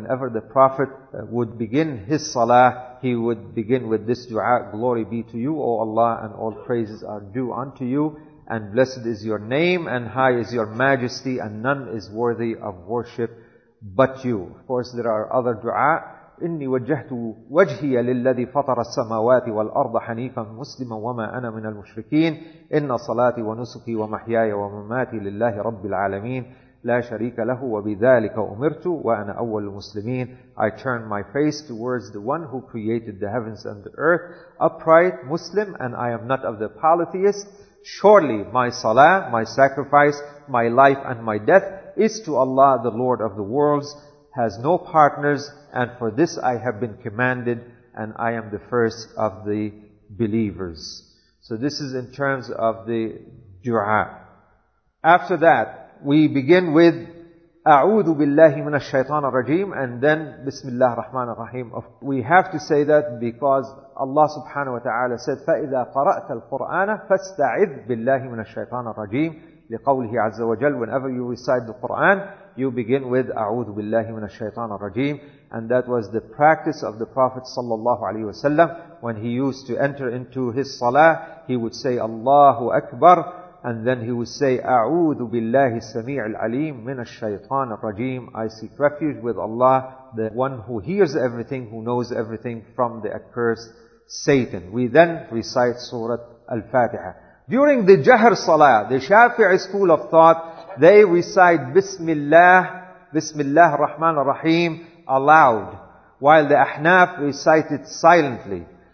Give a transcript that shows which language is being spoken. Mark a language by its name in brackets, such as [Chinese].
[English] Whenever the Prophet would begin his salah, he would begin with this dua: "Glory be to you, O Allah, and all praises are due unto you, and blessed is your name, and high is your majesty, and none is worthy of worship but you." Of course, there are other dua. [Arabic] إني وجهت وجهي للذي فطر السماوات والأرض حنيفا مسلما وما أنا من المشركين إن صلاتي ونسكي ومحياي ومماتي لله رب العالمين لا شريك له وبذلك أمرت وأنا أول المسلمين. [English] I turn my face towards the one who created the heavens and the earth, upright, Muslim, and I am not of the polytheists. Surely my salah, my sacrifice, my life and my death is to Allah, the Lord of the worlds, has no partners, and for this I have been commanded, and I am the first of the believers. So this is in terms of the dua. After that, we begin with [Arabic] أعوذ بالله من الشيطان الرجيم, [English] and then [Arabic] بسم الله الرحمن الرحيم. [English] We have to say that because Allah subhanahu wa ta'ala said [Arabic] فَإِذَا قَرَأْتَ الْقُرْآنَ فَاسْتَعِذْ بِاللَّهِ مِنَ الشَّيْطَانَ الرَّجِيمِ لِقَوْلِهِ عَزَّ وَجَلَّ. [English] Whenever you recite the Qur'an, you begin with [Arabic] أعوذ بالله من الشيطان الرجيم. [English] And that was the practice of the Prophet sallallahu alaihi wasallam. When he used to enter into his salah, he would say Allahu Akbar, And then he would say, [Arabic] أعوذ بالله السميع العليم من الشيطان الرجيم. [English] I seek refuge with Allah, the one who hears everything, who knows everything, from the accursed Satan. We then recite Surah Al-Fatiha. During the Jahr Salah, the Shafi'i school of thought, they recite Bismillah, Bismillah Rahman Rahim aloud, while the Ahnaf recite it silently.